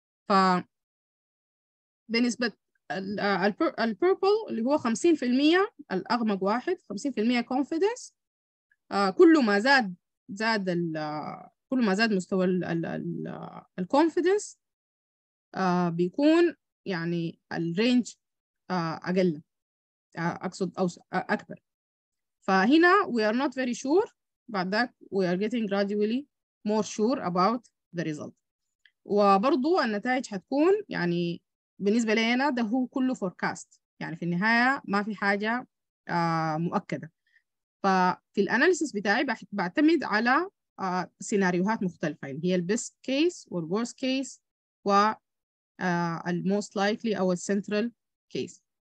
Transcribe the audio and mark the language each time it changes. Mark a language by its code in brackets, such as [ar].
[ar] ف بنسبه البيربل اللي هو 50% الاغمق واحد 50% كونفيدنس، كل ما زاد مستوى الكونفيدنس بيكون يعني الرينج أقل، أقصد أوسع أكبر. فهنا [en] we are not very sure، [ar] بعد ذاك [en] we are getting gradually more sure about the result. [ar] وبرضو النتائج هتكون يعني بالنسبة لنا ده هو كله forecast، يعني في النهاية ما في حاجة مؤكدة. ففي الأناليسيس بتاعي بعتمد على سيناريوهات مختلفة، يعني هي [en] the best case or worst case [ar] و [en] the most likely [ar] أو the central case.